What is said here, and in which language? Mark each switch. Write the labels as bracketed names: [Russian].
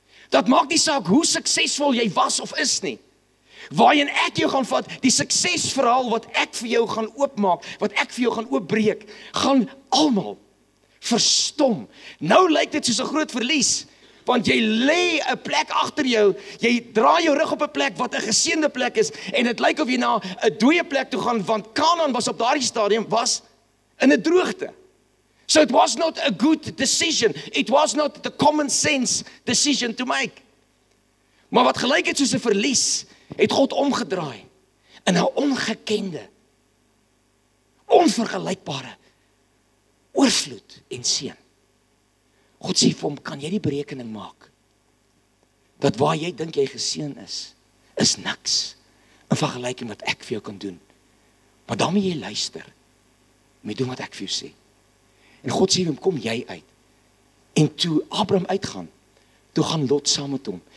[Afrikaans] Dat maak nie saak hoe suksesvol jy was of is nie. Waarheen ek jou gaan vat, die suksesverhaal wat ek vir jou gaan oopmaak, wat ek vir jou gaan oopbreek, gaan almal verstom. Nou lyk dit soos 'n groot verlies, want jy lê 'n plek agter jou, jy draai jou rug op 'n plek wat 'n geseënde plek is, en dit lyk of jy na 'n dooie plek toe gaan, want Kanaan was op daardie stadium was in 'n droogte. [English] So it was not a good decision. It was not the common sense decision to make. [Afrikaans] Maar wat gelyk het soos 'n verlies, het God omgedraai in 'n ongekende, onvergelykbare oorvloed en seën. God sê vir hom, kan jy die berekening maak dat waar jy dink jy geseën is, is niks in vergelyking wat ek vir jou kan doen. Maar dan moet jy luister. Moet doen wat ek vir jou sê. En God sê hom, kom jy uit. En toe Abraham uitgaan, toe gaan Lot saam met hom.